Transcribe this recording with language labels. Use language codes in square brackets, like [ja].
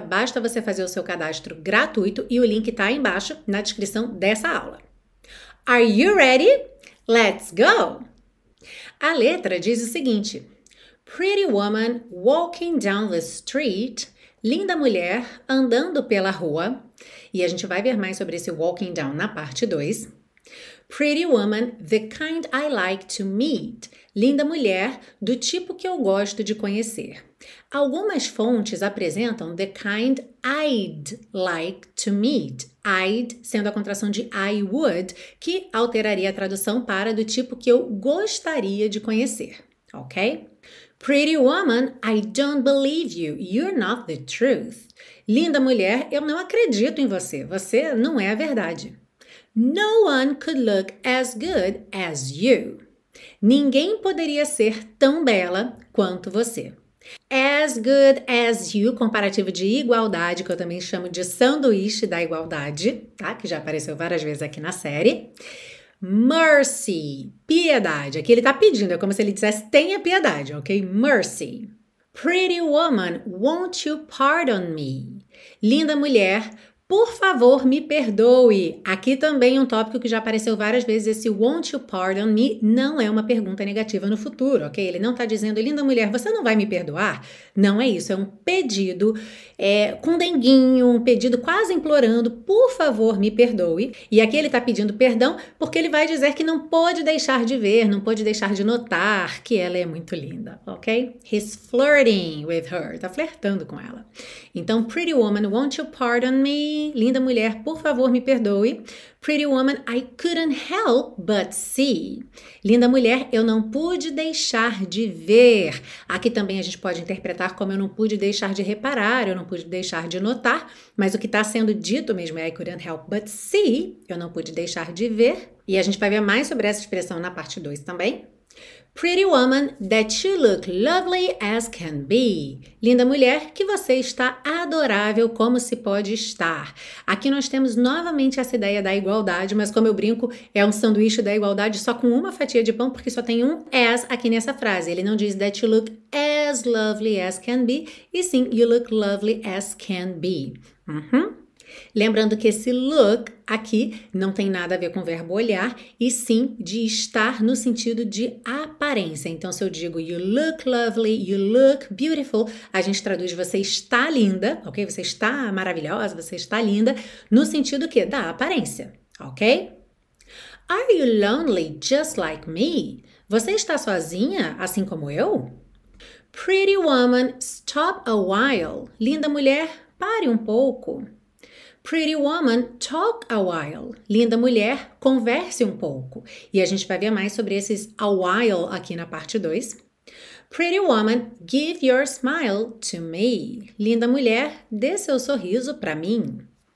[pt] Basta você fazer o seu cadastro gratuito e o link está aí embaixo na descrição dessa aula. [en] Are you ready? Let's go! [pt] A letra diz o seguinte: [en] Pretty woman walking down the street. [pt] Linda mulher andando pela rua. E a gente vai ver mais sobre esse walking down na parte 2. [en] Pretty woman, the kind I like to meet. [pt] Linda mulher, do tipo que eu gosto de conhecer. Algumas fontes apresentam [en] the kind I'd like to meet. [pt] I'd sendo a contração de I would, que alteraria a tradução para do tipo que eu gostaria de conhecer. Ok? [en] Pretty woman, I don't believe you. You're not the truth. [pt] Linda mulher, eu não acredito em você. Você não é a verdade. [en] No one could look as good as you. [pt] Ninguém poderia ser tão bela quanto você. [en] As good as you, [pt] comparativo de igualdade, que eu também chamo de sanduíche da igualdade, tá? Que já apareceu várias vezes aqui na série. Mercy, piedade. Aqui ele tá pedindo, é como se ele dissesse tenha piedade, ok? [en] Mercy. Pretty woman, won't you pardon me? [pt] Linda mulher, por favor, me perdoe. Aqui também um tópico que já apareceu várias vezes, esse [en] won't you pardon me [pt] não é uma pergunta negativa no futuro, ok? Ele não tá dizendo, linda mulher, você não vai me perdoar? Não é isso, é um pedido, com denguinho, um pedido quase implorando, por favor, me perdoe. E aqui ele tá pedindo perdão porque ele vai dizer que não pôde deixar de ver, não pôde deixar de notar que ela é muito linda, ok? [en] He's flirting with her, [pt] tá flertando com ela. [en] Então, pretty woman, won't you pardon me? [pt] Linda mulher, por favor, me perdoe. [en] Pretty woman, I couldn't help but see. [pt] Linda mulher, eu não pude deixar de ver. Aqui também a gente pode interpretar como eu não pude deixar de reparar, eu não pude deixar de notar, mas o que está sendo dito mesmo é [en] I couldn't help but see. [pt] Eu não pude deixar de ver. E a gente vai ver mais sobre essa expressão na parte 2 também. [en] Pretty woman, that you look lovely as can be. [pt] Linda mulher, que você está adorável como se pode estar. Aqui nós temos novamente essa ideia da igualdade, mas como eu brinco, é um sanduíche da igualdade só com uma fatia de pão, porque só tem um as aqui nessa frase. Ele não diz [en] that you look as lovely as can be, [pt] e sim [en] you look lovely as can be. [pt] Lembrando que esse look aqui não tem nada a ver com o verbo olhar, e sim de estar no sentido de aparência. Então, se eu digo [en] you look lovely, you look beautiful, [pt] a gente traduz você está linda, ok? Você está maravilhosa, você está linda, no sentido que da aparência, ok? [en] Are you lonely just like me? [pt] Você está sozinha assim como eu? [en] Pretty woman, stop a while. [pt] Linda mulher, pare um pouco. [en] Pretty woman, talk a while. [pt] Linda mulher, converse um pouco. E a gente vai ver mais sobre esses a while aqui na parte 2. [en] Pretty woman, give your smile to me. [pt] Linda mulher, dê seu sorriso para mim.